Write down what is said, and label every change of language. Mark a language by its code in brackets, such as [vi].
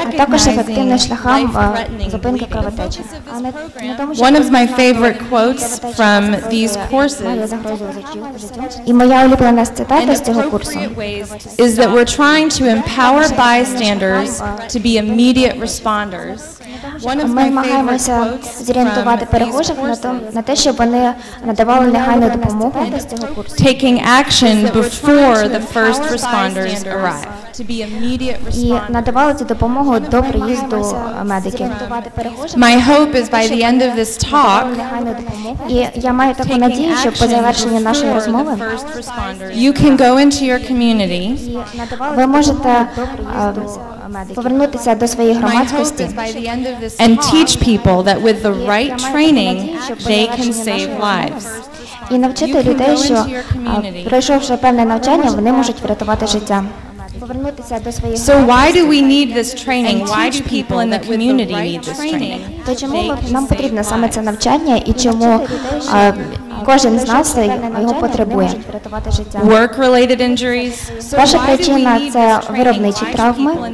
[uk] А також ефективним шляхом зупинки кровотечі. [en] One of my favorite quotes from these courses [uk] моя улюблена цитата з цього курсу [en] is that we're trying to empower bystanders to be immediate responders. [uk] Ми намагаємося зорієнтувати перехожих на те, щоб вони надавали негайну допомогу з цього курсу. [en] Taking action before the first responders arrive. [uk] І надавали цю допомогу до приїзду медиків. [en] My hope is by the end of this talk, [uk] і я маю таку надію, що по завершенні нашої розмови [en] you can go into your community. [uk] Ви можете повернутися до своєї громадськості [en] and teach people that with the right training they can save lives. [uk] І навчити людей, що пройшовши певне навчання, вони можуть врятувати життя. [en] So why do we need this training? Why do people in the community need this training? [uk] То чому нам потрібно саме це навчання і чому кожен з нас його потребує? [en] Work-related injuries. [uk] Перша причина – це виробничі травми.